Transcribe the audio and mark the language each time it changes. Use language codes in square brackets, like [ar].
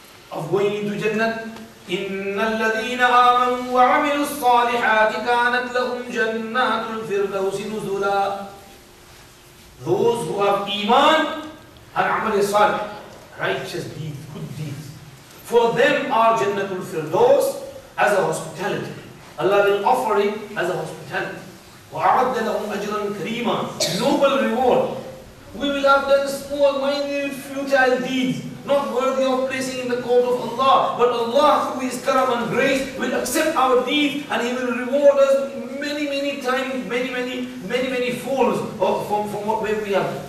[en] Of going into Jannah? [ar] إِنَّ الَّذِينَ آمَنُوا وَعَمِلُوا الصَّالِحَاتِ كَانَتْ لَهُمْ جَنَّاتُ الْفِرْدَوْسِ نُزُولًا. [en] Those who have iman and amal salih, righteous deeds, good deeds, for them are Jannatul الْفِرْدَوْس, as a hospitality. Allah will offer it as a hospitality. [ar] وَعَدَّ لَهُمْ أَجْرًا كَرِيمًا, [en] noble reward. We will have done small, minute, futile deeds, not worthy of placing in the court of Allah. But Allah, through His karam and grace, will accept our deed and He will reward us many, many times, many, many, many, many folds from what way we have.